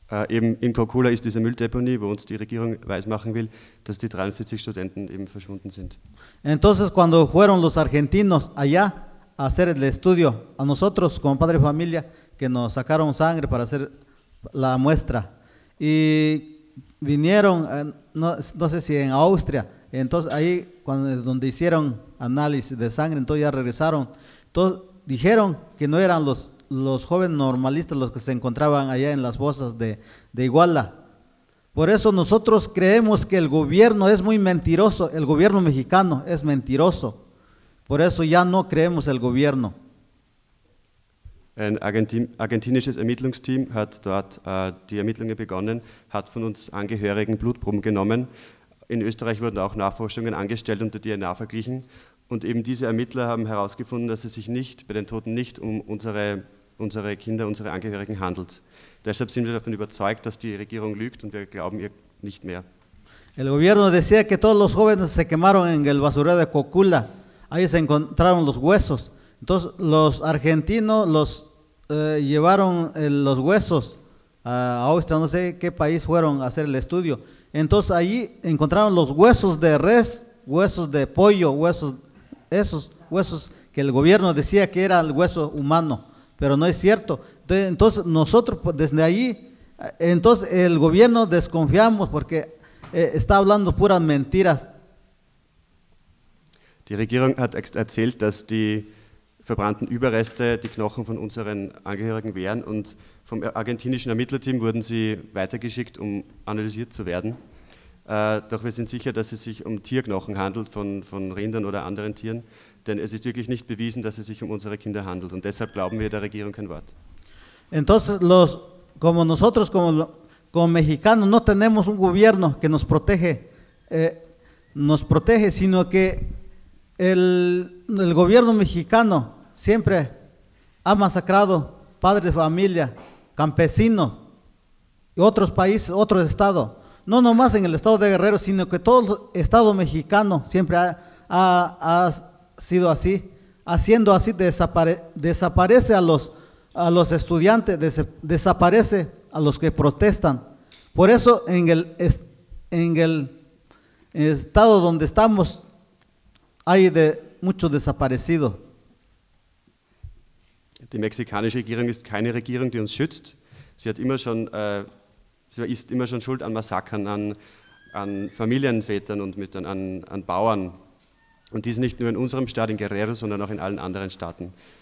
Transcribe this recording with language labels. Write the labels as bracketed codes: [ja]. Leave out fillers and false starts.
[de] Eben in Cocula ist diese Mülldeponie, wo uns die Regierung weismachen will, dass die 43 Studenten eben verschwunden sind. [es] Entonces cuando fueron los argentinos allá a hacer el estudio a nosotros como padre familia que nos sacaron sangre para hacer la muestra y vinieron no sé si en Austria, entonces ahí donde hicieron análisis de sangre, entonces ya regresaron. Entonces dijeron que no eran los jóvenes normalistas los que se encontraban allá en las fosas de Iguala. Por eso nosotros creemos que el gobierno es muy mentiroso, el gobierno mexicano es mentiroso. Por eso ya no creemos el gobierno. [de] Ein argentinisches Ermittlungsteam hat dort die Ermittlungen begonnen, hat von uns Angehörigen Blutproben genommen. In Österreich wurden auch Nachforschungen angestellt und die DNA verglichen. Und eben diese Ermittler haben herausgefunden, dass es sich nicht bei den Toten nicht um unsere Kinder, unsere Angehörigen handelt. Deshalb sind wir davon überzeugt, dass die Regierung lügt und wir glauben ihr nicht mehr. [es] El gobierno decía que todos los jóvenes se quemaron en el basurero de Cocula. Ahí se encontraron los huesos. Entonces los argentinos los llevaron los huesos a Austria, no sé qué país fueron a hacer el estudio. Entonces allí encontraron los huesos de res, huesos de pollo, huesos, esos huesos que el gobierno decía que era el hueso humano, pero no es cierto. Entonces nosotros desde allí, entonces el gobierno desconfiamos porque está hablando puras mentiras. [de] Die Regierung hat erzählt, dass die verbrannten Überreste die Knochen von unseren Angehörigen wären und vom argentinischen Ermittlerteam wurden sie weitergeschickt, um analysiert zu werden. Doch wir sind sicher, dass es sich um Tierknochen handelt, von Rindern oder anderen Tieren, denn es ist wirklich nicht bewiesen, dass es sich um unsere Kinder handelt und deshalb glauben wir der Regierung kein Wort. [es] Entonces, como nosotros, como mexicanos, no tenemos un gobierno que nos protege, sino que el gobierno mexicano siempre ha masacrado padres de familia, campesinos y otros países, otros estados. No nomás en el estado de Guerrero, sino que todo el estado mexicano siempre ha sido así. Haciendo así, desaparece a los estudiantes, desaparece a los que protestan. Por eso en el estado donde estamos hay de mucho desaparecido. [de] Die mexikanische Regierung ist keine Regierung, die uns schützt. Sie hat immer schon, sie ist immer schon schuld an Massakern, an Familienvätern und Müttern, an Bauern. Und dies nicht nur in unserem Staat, in Guerrero, sondern auch in allen anderen Staaten.